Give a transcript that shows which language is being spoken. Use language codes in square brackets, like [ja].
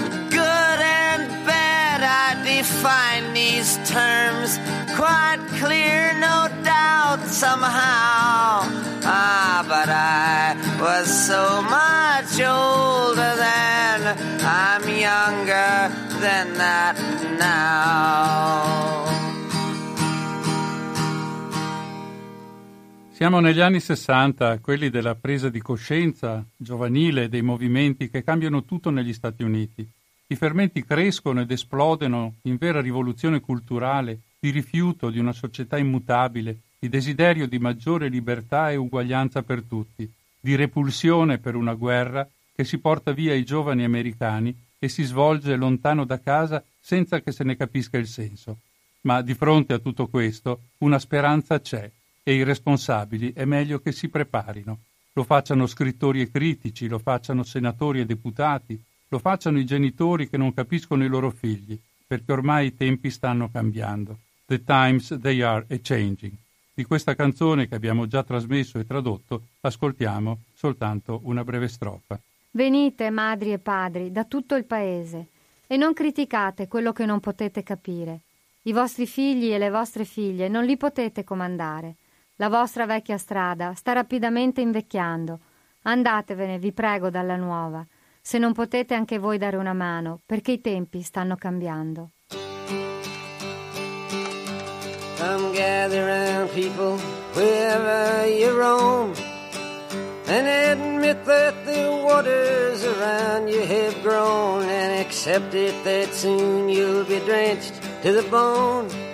[en] Good and bad, I define these terms quite clear, no doubt, somehow. Ah, but I was so much older then, I'm younger than that now. [it] Siamo negli anni 60, quelli della presa di coscienza giovanile dei movimenti che cambiano tutto negli Stati Uniti. I fermenti crescono ed esplodono in vera rivoluzione culturale, di rifiuto di una società immutabile, di desiderio di maggiore libertà e uguaglianza per tutti, di repulsione per una guerra che si porta via i giovani americani e si svolge lontano da casa senza che se ne capisca il senso. Ma di fronte a tutto questo, una speranza c'è. E i responsabili è meglio che si preparino. lo facciano scrittori e critici, lo facciano senatori e deputati, lo facciano i genitori che non capiscono i loro figli, perché ormai i tempi stanno cambiando. [en] The times, they are a-changing. [it] Di questa canzone, che abbiamo già trasmesso e tradotto, ascoltiamo soltanto una breve strofa. Venite, madri e padri, da tutto il paese, e non criticate quello che non potete capire. I vostri figli e le vostre figlie non li potete comandare. La vostra vecchia strada sta rapidamente invecchiando. Andatevene, vi prego, dalla nuova, se non potete anche voi dare una mano, perché i tempi stanno cambiando. [en] Come gather round, people, wherever you roam, and admit that the waters around you have grown, and accept it that soon you'll be drenched to the bone.